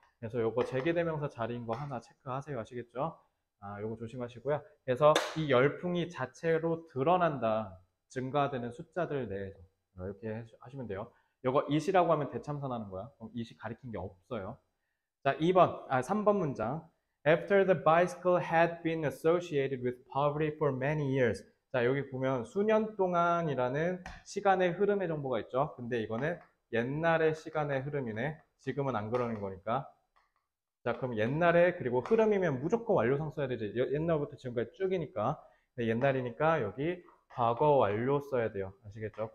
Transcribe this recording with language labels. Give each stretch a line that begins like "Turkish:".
Korean: 그래서 요거 제기대명사 자리인 거 하나 체크하세요. 아시겠죠? 아, 요거 조심하시고요. 그래서 이 열풍이 자체로 드러난다, 증가되는 숫자들 내에서 이렇게 하시면 돼요. 요거 is이라고 하면 대참사 나는 거야. 그럼 is 가리킨 게 없어요. 자, 3번 문장.
English: After the bicycle had been associated with poverty for many years.
Korean: 자, 여기 보면 수년 동안이라는 시간의 흐름의 정보가 있죠. 근데 이거는 옛날의 시간의 흐름이네. 지금은 안 그러는 거니까. 자, 그럼 옛날에, 그리고 흐름이면 무조건 완료성 써야 되지. 옛날부터 지금까지 쭉이니까. 근데 옛날이니까 여기 과거 완료 써야 돼요. 아시겠죠?